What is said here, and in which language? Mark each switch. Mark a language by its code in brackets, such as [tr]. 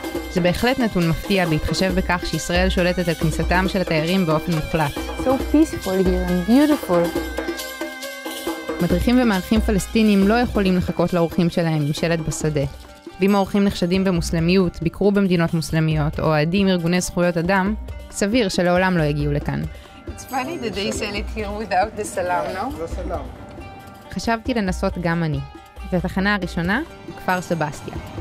[he] זה בהחלט נתון מפתיע בהתחשב בכך שישראל שולטת על כניסתם של התיירים באופן מוחלט. [en] So peaceful here and beautiful. [he] מדריכים ומערכים פלסטינים לא יכולים לחכות לאורחים שלהם עם שלט בשדה. ואם האורחים נחשדים במוסלמיות, ביקרו במדינות מוסלמיות, או אוהדים ארגוני זכויות אדם, סביר שלעולם לא יגיעו לכאן. [en] It's funny that they sell it here without the salam, no? [he] חשבתי לנסות גם אני. והתחנה הראשונה, כפר סבסטיה.